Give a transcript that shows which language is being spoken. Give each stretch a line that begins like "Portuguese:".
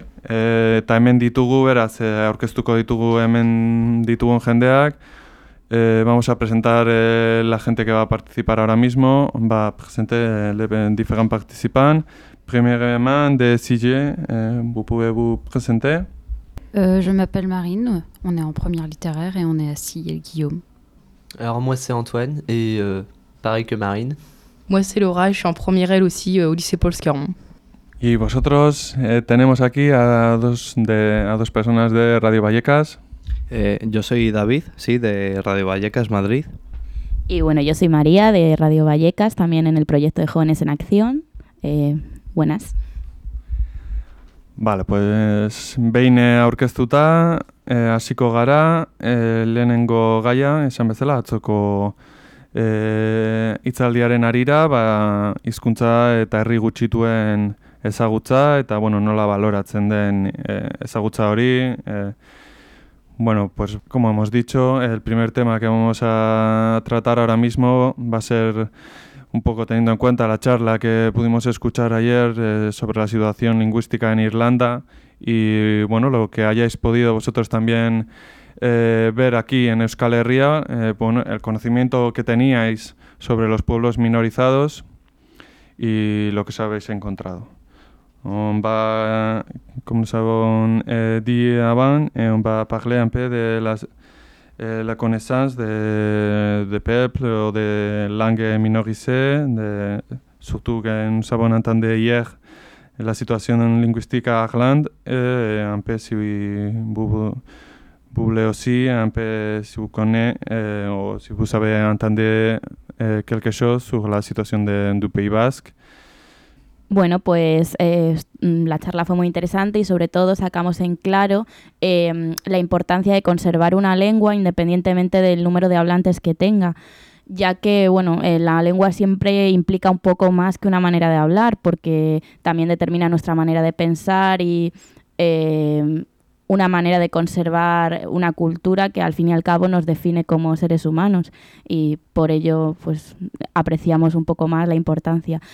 Basque: Eta hemen ditugu, beraz, aurkeztuko ditugu hemen ditugun jendeak.
Spanish: Vamos a presentar la gente que va a participar ahora mismo.
French: Va a presentar les différents participants. Premièrement, de CJ, vous pouvez vous présenter. Je m'appelle Marine, on est en première littéraire et on est à CJ et Guillaume. Alors moi c'est Antoine et pareil que Marine. Moi c'est Laura, je suis en première L aussi au lycée Paul Scarron.
Spanish: Y vosotros tenemos aquí a dos personas de Radio Vallecas. Yo soy David, sí, de Radio Vallecas, Madrid. Y bueno, yo soy María, de Radio Vallecas, también en el proyecto de Jóvenes en Acción. Buenas. Vale, pues
Basque: behin aurkeztuta, hasiko gara, lehenengo gaia, esan bezala, atzoko hitzaldiaren harira, ba, hizkuntza eta herri gutxituen ezagutza eta bueno, nola baloratzen den ezagutza hori.
Spanish: Bueno, pues como hemos dicho, el primer tema que vamos a tratar ahora mismo va a ser un poco teniendo en cuenta la charla que pudimos escuchar ayer sobre la situación lingüística en Irlanda y bueno, lo que hayáis podido vosotros también ver aquí en Euskal Herria, bueno, el conocimiento que teníais sobre los pueblos minorizados y lo que os habéis encontrado.
French: On va, comme nous avons dit avant, on va parler un peu de la connaissance de peuples ou de langues minorisées, surtout que nous avons entendu hier la situation linguistique à Irlande. Un peu si vous voulez aussi, un peu si vous connaissez ou si vous avez entendu quelque chose sur la situation du Pays Basque.
Spanish: Bueno, pues la charla fue muy interesante y sobre todo sacamos en claro la importancia de conservar una lengua independientemente del número de hablantes que tenga, ya que bueno, la lengua siempre implica un poco más que una manera de hablar, porque también determina nuestra manera de pensar y una manera de conservar una cultura que al fin y al cabo nos define como seres humanos y por ello pues apreciamos un poco más la importancia.